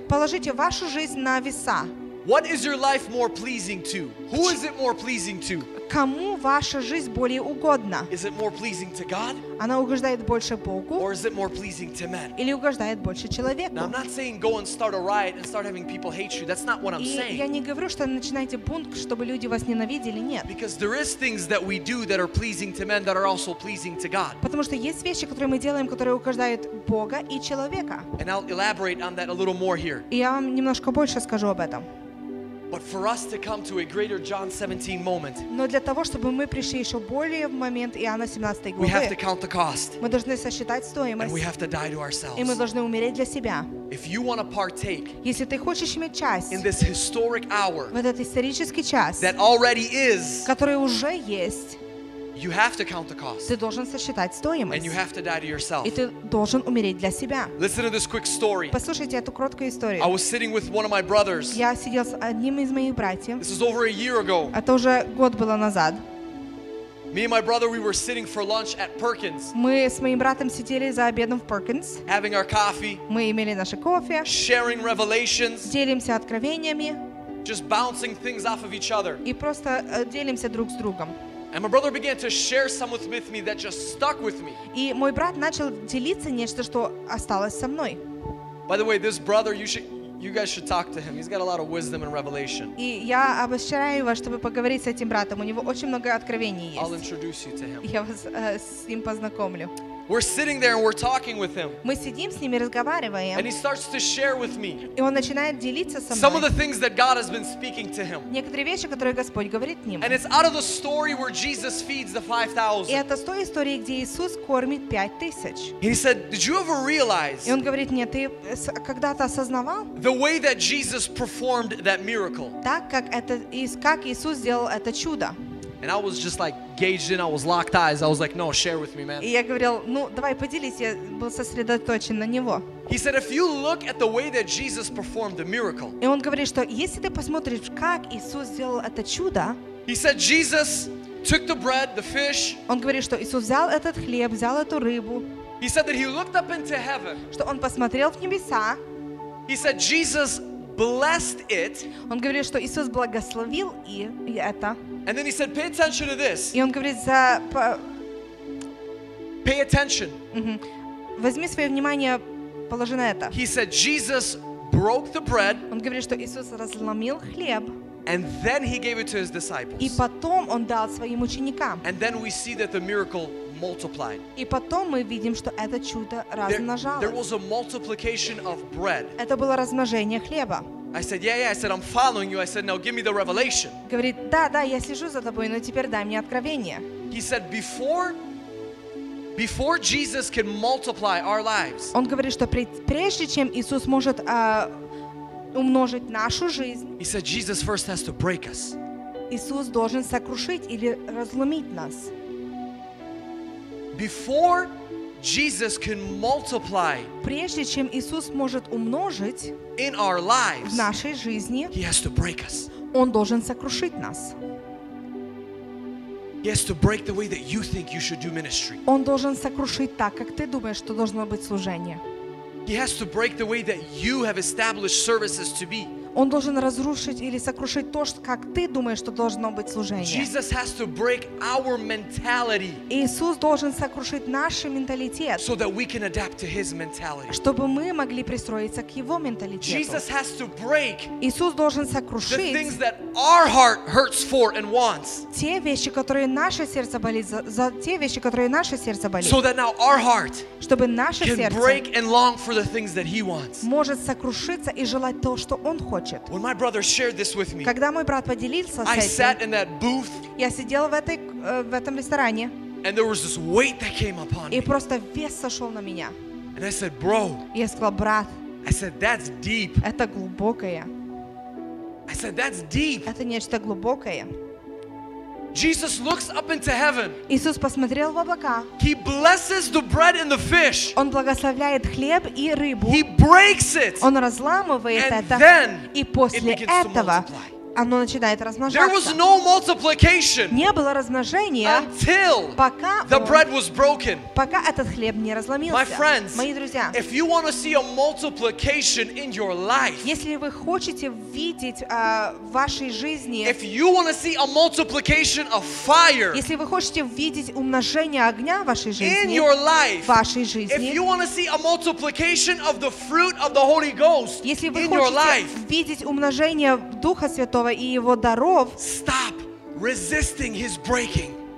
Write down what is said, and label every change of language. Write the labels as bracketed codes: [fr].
[ru] Положите вашу жизнь на веса. [en] What is your life more pleasing to? Who is it more pleasing to? [ru] Кому ваша жизнь более угодна? [en] Is it more pleasing to God? [ru] Она угождает больше Богу? [en] Or is it more pleasing to men? [ru] Или угождает больше человеку? [en] Now, I'm not saying go and start a riot and start having people hate you. That's not what I'm [ru] И [en] saying. [ru] Я не говорю, что начинайте бунт, чтобы люди вас ненавидели. Нет. [en] Because there is things that we do that are pleasing to men that are also pleasing to God. [ru] Потому что есть вещи, которые мы делаем, которые угождают Бога и человека. [en] And I'll elaborate on that a little more here. [ru] И я вам немножко больше скажу об этом. [en] But for us to come to a greater John 17 moment, [ru] но для того чтобы мы пришли еще более в момент Иоанна 17 главы, [en] we have to count the cost. [ru] Мы должны сосчитать стоимость. [en] And we have to die to ourselves. [ru] И мы должны умереть для себя. [en] If you want to partake, [ru] если ты хочешь иметь часть, [en] in this historic hour, [ru] в этот исторический час, [en] that already is, [ru] который уже есть, [en] you have to count the cost. [ru] Ты должен сосчитать стоимость. [en] And you have to die to yourself. [ru] И ты должен умереть для себя. [en] Listen to this quick story. [ru] Послушайте эту короткую историю. [en] I was sitting with one of my brothers. [ru] Я сидел с одним из моих братьев. [en] This is over a year ago. [ru] Это уже год было назад. [en] Me and my brother, we were sitting for lunch at Perkins. [ru] Мы с моим братом сидели за обедом в Perkins. [en] Having our coffee. [ru] Мы имели наше кофе. [en] Sharing revelations. [ru] Делимся откровениями. [en] Just bouncing things off of each other. [ru] И просто делимся друг с другом. [en] And my brother began to share some with me that just stuck with me. [ru] И мой брат начал делиться нечто, что осталось со мной. [en] By the way, this brother, you guys should talk to him. He's got a lot of wisdom and revelation. [ru] И я обещаю вас, чтобы поговорить с этим братом. У него очень много откровений есть. [en] I'll introduce you to him. [ru] Я вас с ним познакомлю. [en] We're sitting there and we're talking with him. [ru] Мы сидим с ним и разговариваем. [en] And he starts to share with me. [ru] И он начинает делиться со мной. [en] Some of the things that God has been speaking to him. [ru] Некоторые вещи, которые Господь говорит ему. [en] And it's out of the story where Jesus feeds the 5,000. [ru] И это с той истории, где Иисус кормит 5,000. [en] He said, "Did you ever realize?" [ru] И он говорит мне, ты когда-то осознавал? [en] The way that Jesus performed that miracle. [ru] Так как это как Иисус сделал это чудо. [en] And I was just like gauged in, I was locked eyes. I was like, no, share with me, man. [ru] И я говорил, ну, давай поделись, я был сосредоточен на него. [en] He said, if you look at the way that Jesus performed the miracle. [ru] И он говорит, что если ты посмотришь, как Иисус сделал это чудо. [en] He said, Jesus took the bread, the fish. [ru] Он говорит, что Иисус взял этот хлеб, взял эту рыбу. [en] He said that he looked up into heaven. [ru] Что он посмотрел в небеса. [en] He said, Jesus blessed it. [ru] Он говорит, что Иисус благословил и это. [en] And then he said, pay attention to this. [ru] И он говорит, [en] pay attention. [ru] Возьми свое внимание, положи на это. [en] He said, Jesus broke the bread. [ru] Он говорит, что Иисус разломил хлеб. [en] And then he gave it to his disciples. [ru] И потом он дал своим ученикам. [en] And then we see that the miracle multiplied. [ru] И потом мы видим, что это чудо размножалось. [en] There was a multiplication of bread. [ru] Это было размножение хлеба. [en] I said, yeah, yeah. I said, I'm following you. I said, now give me the revelation. [ru] Говорит, да, я слежу за тобой, но теперь дай мне откровение. [en] He said, before Jesus can multiply our lives. [ru] Он говорит, что прежде чем Иисус может умножить нашу жизнь. [en] He said, Jesus first has to break us. [ru] Иисус должен сокрушить или разломить нас. [en] Before Jesus can multiply. [ru] Прежде чем Иисус может умножить. [en] In our lives, [ru] в нашей жизни, [en] he has to break us. [ru] Он должен сокрушить нас. [en] He has to break the way that you think you should do ministry. [ru] Он должен сокрушить так, как ты думаешь, что должно быть служение. [en] He has to break the way that you have established services to be. [ru] Он должен разрушить или сокрушить то, как ты думаешь, что должно быть служение. [en] Jesus has to break our mentality. [ru] Иисус должен сокрушить наш менталитет. [en] So that we can adapt to his mentality. [ru] Чтобы мы могли пристроиться к его менталитету. [en] Jesus has to break. [ru] Иисус должен сокрушить [en] the things that our heart hurts for and wants. [ru] Те вещи, которые наше сердце болит за те вещи, которые наше сердце болит. [en] So that now our heart. [ru] Чтобы наше сердце [en] can break and long for the things that he wants. [ru] Может сокрушиться и желать то, что он хочет. [en] When my brother shared this with me, [ru] когда мой брат поделился с этим, [en] I sat in that booth, [ru] я сидел в этом ресторане, [en] and there was this weight that came upon me, [ru] и просто вес сошел на меня, [en] and I said, bro, [ru] я сказал, брат, [en] I said, that's deep, [ru] это глубокое, [en] I said, that's deep, [ru] это нечто глубокое. [en] Jesus looks up into heaven. [ru] Иисус посмотрел в облака. [en] He blesses the bread and the fish. [ru] Он благословляет хлеб и рыбу. [en] He breaks it. [ru] Он разламывает это. [en] And then [ru] и после [en] it begins [ru] этого [en] to multiply. [ru] оно начинает размножаться. [en] There was no multiplication. [ru] Не было размножения. [en] Until the bread was broken. [ru] Пока этот хлеб не разломился. [en] My friends, [ru] мои друзья, [en] if you want to see a multiplication in your life, [ru] если вы хотите видеть в вашей жизни, [en] if you want to see a multiplication of fire, [ru] если вы хотите видеть умножение огня в вашей жизни, [en] in your life, [ru] в вашей жизни, [en] if you want to see a multiplication of the fruit of the Holy Ghost, [ru] если вы хотите видеть умножение Духа Святого и Его даров, [en] stop resisting His breaking.